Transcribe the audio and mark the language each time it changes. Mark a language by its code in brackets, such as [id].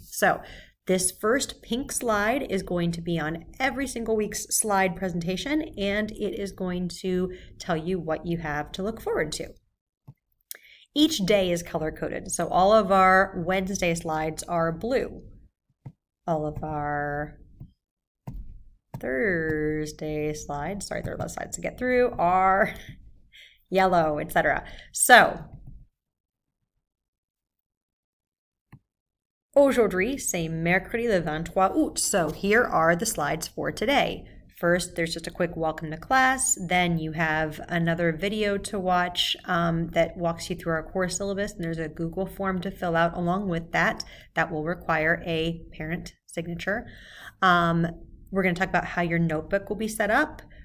[en] So this first pink slide is going to be on every single week's slide presentation, and it is going to tell you what you have to look forward to. Each day is color-coded. So all of our Wednesday slides are blue. All of our Thursday slides, sorry, there are less slides to get through, are yellow, etc. [fr] So aujourd'hui, c'est mercredi le 23 août. [en] So here are the slides for today. First, there's just a quick welcome to class. Then you have another video to watch that walks you through our course syllabus, and there's a Google form to fill out along with that. That will require a parent signature. We're going to talk about how your notebook will be set up.